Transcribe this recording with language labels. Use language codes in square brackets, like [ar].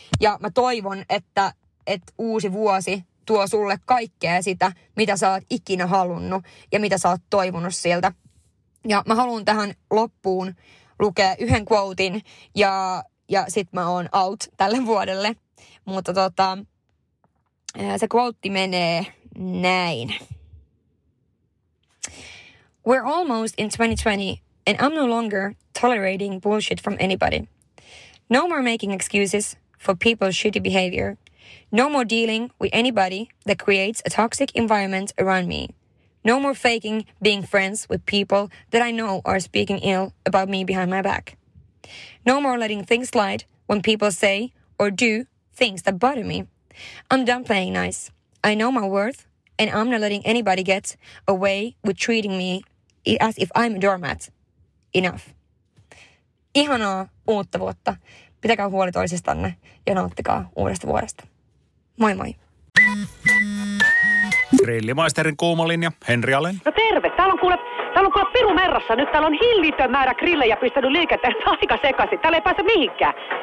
[fi] Ja mä toivon, että uusi vuosi tuo sulle kaikkea sitä, mitä sä oot ikinä halunnut ja mitä sä oot toivonut siltä. Ja mä haluan tähän loppuun lukea yhden quotein ja sit mä oon out tälle vuodelle. Mutta se quote menee näin. [en] We're almost in 2020 and I'm no longer tolerating bullshit from anybody. No more making excuses for people's shitty behavior. No more dealing with anybody that creates a toxic environment around me. No more faking being friends with people that I know are speaking ill about me behind my back. No more letting things slide when people say or do things that bother me. I'm done playing nice. I know my worth and I'm not letting anybody get away with treating me as if I'm a doormat. Enough. [fi] Ihanaa uutta vuotta. Pitäkää huoli toisistanne ja nauttikaa uudesta vuodesta. Moi moi. Grillimaisterin kuuma linja, Henri Alen. No terve, täällä on kuule piru merrassa nyt. Täällä on hillitön määrä grillejä pistänyt liikenteen aika sekaisin. Täällä ei pääse mihinkään.